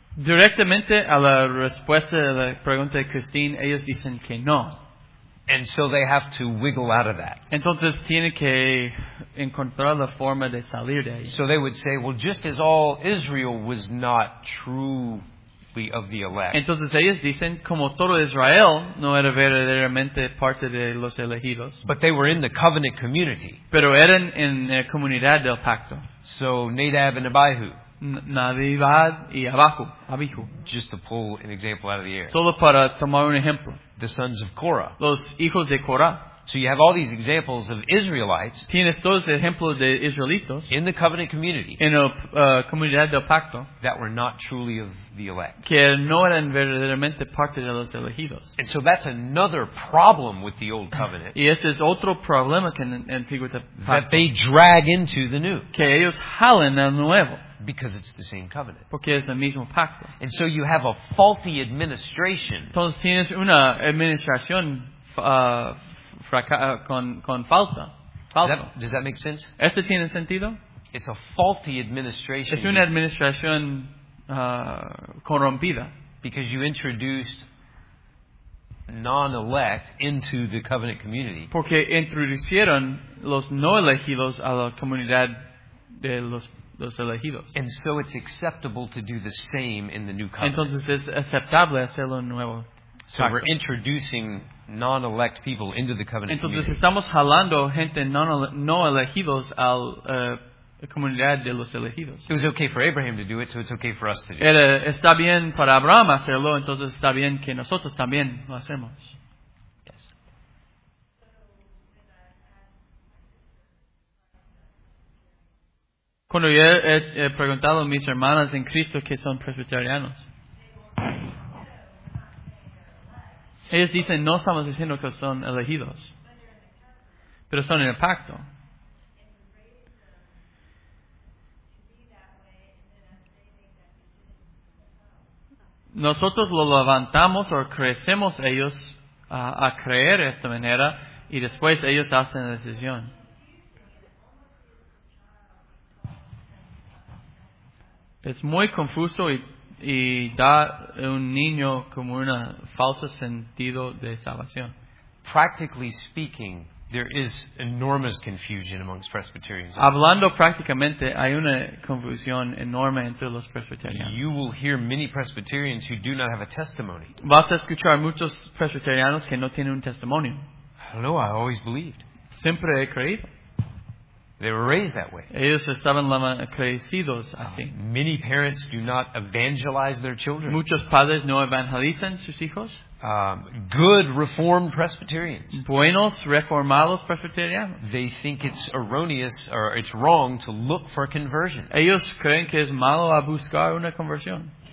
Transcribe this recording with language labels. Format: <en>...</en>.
<es>Directamente a la respuesta de la pregunta de Christine, ellos dicen que no.</es> <en>And so they have to wiggle out of that.</en> <es>Entonces tiene que encontrar la forma de salir de ahí.</es> <en>So they would say, well, just as all Israel was not true of the elect.</en> <es>Entonces ellos dicen como todo Israel no era verdaderamente parte de los elegidos.</es> <en>But they were in the covenant community.</en> <es>Pero eran en la comunidad del pacto.</es> <en>So Nadab and Abihu.</en> <es>Nadab y Abihu.</es> <en>Just to pull an example out of the air.</en> <es>Solo para tomar un ejemplo.</es> <en>The sons of Korah.</en> <es>Los hijos de Korah.</es> <en>So you have all these examples of Israelites.</en> <es>Tienes todos ejemplos de israelitos</es> <en>in the covenant community.</en> <es>En la comunidad del pacto.</es> <en>That were not truly of the elect.</en> <es>Que no eran verdaderamente parte de los elegidos.</es> <en>And so that's another problem with the old covenant.</en> <es>Y ese es otro problema con el antiguo pacto.</es> <en>That they drag into the new.</en> <es>Que ellos jalan al nuevo.</es> <en>Because it's the same covenant.</en> <es>Porque es el mismo pacto.</es> <en>And so you have a faulty administration.</en> <es>Entonces tienes una administración con falta.</es> <en>Does that make sense?</en> <es>¿Este tiene sentido?</es> <en>It's a faulty administration.</en> <es>Es una administración corrompida.</es> <en>because you introduced non-elect into the covenant community.</en> <es>Porque introducieron los no elegidos a la comunidad de los elegidos.</es> <en>And so it's acceptable to do the same in the new covenant.</en> <es>Entonces es aceptable hacerlo en nuevo.</es> <en>So we're introducing non-elect people into the covenant.</en> <es>Entonces</es> <en>community.</en> <es>Estamos jalando gente no elegidos al comunidad de los elegidos.</es> <en>It was okay for Abraham to do it, so it's okay for us to do it.</en> <es>Está bien para Abraham hacerlo, entonces está bien que nosotros también lo hacemos.</es> <en>Yes.</en> <es>Cuando yo he preguntado a mis hermanas en Cristo que son presbiterianos, ellos dicen, no estamos diciendo que son elegidos, pero son en el pacto. Nosotros lo levantamos o crecemos ellos a creer de esta manera y después ellos hacen la decisión. Es muy confuso y da a un niño como un falso sentido de salvación.</es> <en>Practically speaking, there is enormous confusion amongst Presbyterians.</en> <es>Hablando prácticamente, hay una confusión enorme entre los presbiterianos.</es> <en>You will hear many Presbyterians who do not have a testimony.</en> <es>Vas a escuchar muchos presbiterianos que no tienen un testimonio.</es> <en>Hello, I always believed.</en> <es>Siempre he creído.</es> <en>They were raised that way.</en> <es>Ellos estaban crecidos así.</es> <en>Many parents do not evangelize their children.</en> <es>Muchos padres no evangelizan sus hijos.</es> <en>Good Reformed Presbyterians.</en> <es>Buenos reformados presbiterianos.</es> <en>They think it's erroneous or it's wrong to look for conversion.</en> <es>Ellos creen que es malo a buscar una conversión.</es>